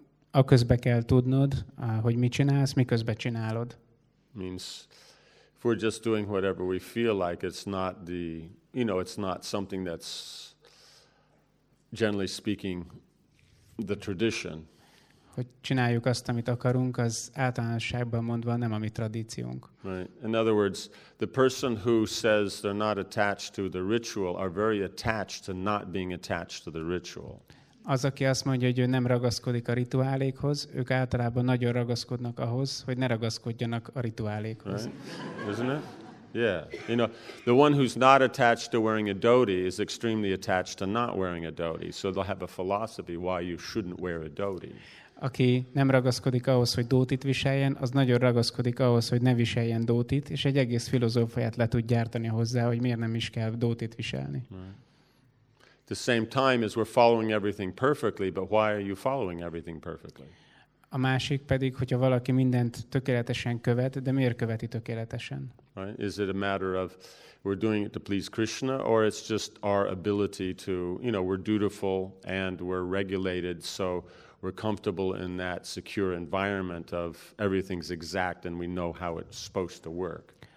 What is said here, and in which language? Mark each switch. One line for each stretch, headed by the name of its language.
Hungarian: A közbe kell tudnod, hogy mit csinálsz, miközbe csinálod.
English: Means if we're just doing whatever we feel like, it's not the, you know, it's not something that's generally speaking the tradition.
Hungarian: Hogy csináljuk azt, amit akarunk, az általánosságban mondva nem a mi tradíciónk.
English: Right. In other words, the person who says they're not attached to the ritual are very attached to not being attached to the ritual.
Hungarian: Az, aki azt mondja, hogy ő nem ragaszkodik a rituálékhoz, ők általában nagyon ragaszkodnak ahhoz, hogy ne ragaszkodjanak a rituálékhoz.
English: Right? Isn't it? Yeah. You know, the one who's not attached to wearing a dhoti is extremely attached to not wearing a dhoti. So they'll have a philosophy why you shouldn't wear a dhoti.
Hungarian: Aki nem ragaszkodik ahhoz, hogy dhotit viseljen, az nagyon ragaszkodik ahhoz, hogy ne viseljen dhotit, és egy egész filozófiát le tud gyártani hozzá, hogy miért nem is kell dhotit viselni.
English: Right. The same time as we're following everything perfectly, but why are you following everything perfectly?
Hungarian: A másik pedig, hogyha valaki mindent tökéletesen követ, de miért követi tökéletesen?
English: Right? Is it a matter of we're doing it to please Krishna, or it's just our ability to, you know, we're dutiful and we're regulated, so we're comfortable in that secure environment of everything's exact and we know how it's supposed to work?